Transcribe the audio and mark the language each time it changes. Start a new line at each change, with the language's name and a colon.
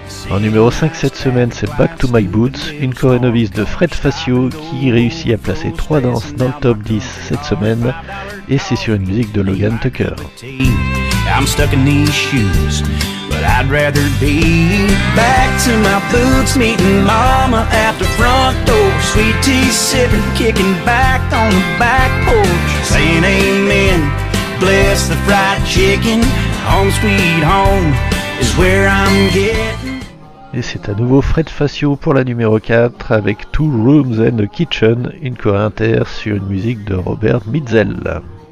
French: En numéro 5 cette semaine, c'est Back to My Boots, une Corée novice de Fred Facio qui réussit à placer 3 danses dans le top 10 cette semaine, et c'est sur une musique de Logan Tucker.
English: I'm stuck in these shoes, but I'd rather be back to my boots, meeting mama at the front door, sweet tea sipping, kicking back on the back porch, saying amen, bless the fried chicken, home sweet home is where I'm getting.
French: Et c'est à nouveau Fred Facio pour la numéro 4 avec Two Rooms and a Kitchen, une Corée inter sur une musique de Robert Mitzel.